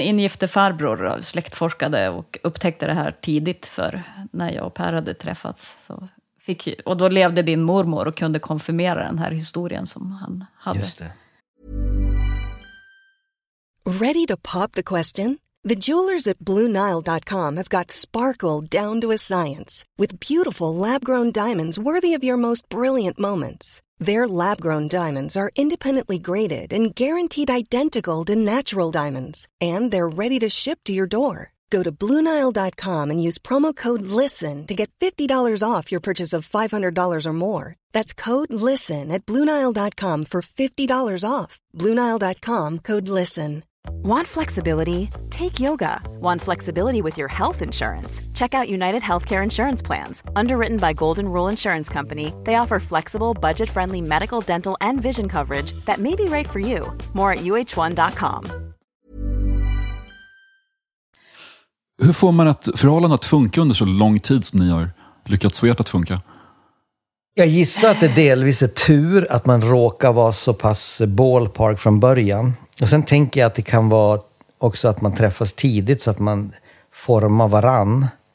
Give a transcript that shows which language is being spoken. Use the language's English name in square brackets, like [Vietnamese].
[Swedish] ingifte farbror släktforskade och upptäckte det här tidigt, för när jag och Per hade träffats så fick, och då levde din mormor och kunde konfirmera den här historien som han hade. Just det. [English] Ready to pop the question? The jewelers at BlueNile.com have got sparkle down to a science with beautiful lab-grown diamonds worthy of your most brilliant moments. Their lab-grown diamonds are independently graded and guaranteed identical to natural diamonds, and they're ready to ship to your door. Go to BlueNile.com and use promo code LISTEN to get $50 off your purchase of $500 or more. That's code LISTEN at BlueNile.com for $50 off. BlueNile.com, code LISTEN. Want flexibility? Take yoga. Want flexibility with your health insurance? Check out United Healthcare Insurance Plans. Underwritten by Golden Rule Insurance Company, they offer flexible, budget-friendly medical, dental, and vision coverage that may be right for you. More at uh1.com. [Swedish] Hur får man ett förhållande att funka under så lång tid som ni har lyckats få ert att funka? Jag gissar att det delvis är tur att man råkar vara så pass ballpark från början. Och sen tänker jag att det kan vara också att man träffas tidigt så att man formar varann.